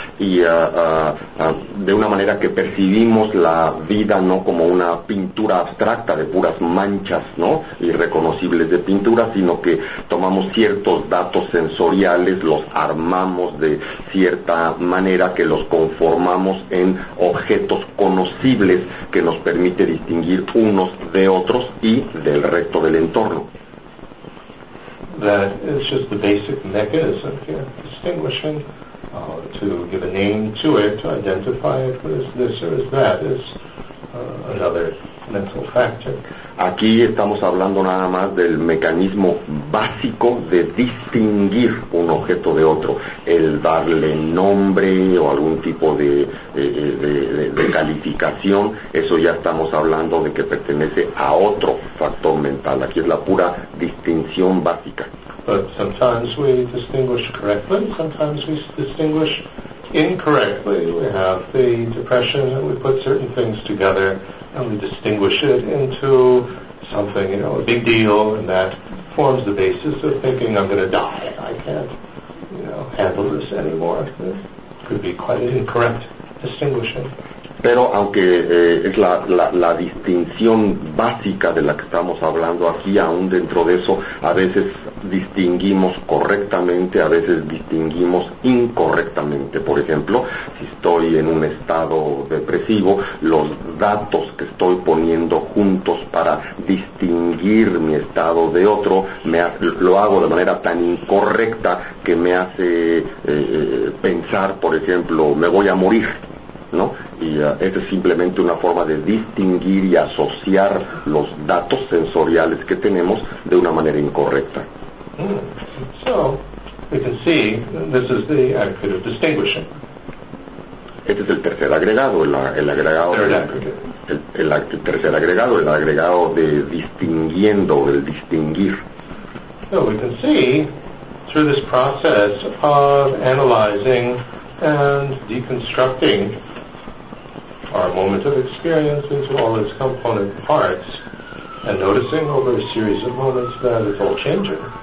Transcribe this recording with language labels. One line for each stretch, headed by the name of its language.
Spanish: y de una manera que percibimos la vida no como una pintura abstracta de puras manchas, ¿no?, irreconocibles de pintura, sino que tomamos ciertos datos sensoriales, los armamos de cierta manera que los conformamos en objetos conocibles que nos permite distinguir unos de otros y del resto del entorno.
English: That is just the basic mechanism here, distinguishing, to give a name to it, to identify it, what is this or is that, is another mental factor.
Spanish: Aquí estamos hablando nada más del mecanismo básico de distinguir un objeto de otro, el darle nombre o algún tipo de calificación. Eso ya estamos hablando de que pertenece a otro factor mental. Aquí es la pura distinción básica.
English: But sometimes we distinguish correctly, sometimes we distinguish incorrectly. We have the depression and we put certain things together and we distinguish it into something, you know, a big deal, and that forms the basis of thinking I'm going to die, I can't, you know, handle this anymore. It could be quite an incorrect distinguishing.
Spanish: Pero aunque es la distinción básica de la que estamos hablando aquí, aún dentro de eso, a veces distinguimos correctamente, a veces distinguimos incorrectamente. Por ejemplo, si estoy en un estado depresivo, los datos que estoy poniendo juntos para distinguir mi estado de otro, lo hago de manera tan incorrecta que me hace pensar, por ejemplo, me voy a morir, ¿no? Y esa es simplemente una forma de distinguir y asociar los datos sensoriales que tenemos de una manera incorrecta.
English: So, we can see, this is the act of distinguishing.
Spanish: Este es el tercer agregado, el agregado de distinguiendo, el distinguir.
English: So, we can see, through this process of analyzing and deconstructing our moment of experience into all its component parts, and noticing over a series of moments that it's all changing,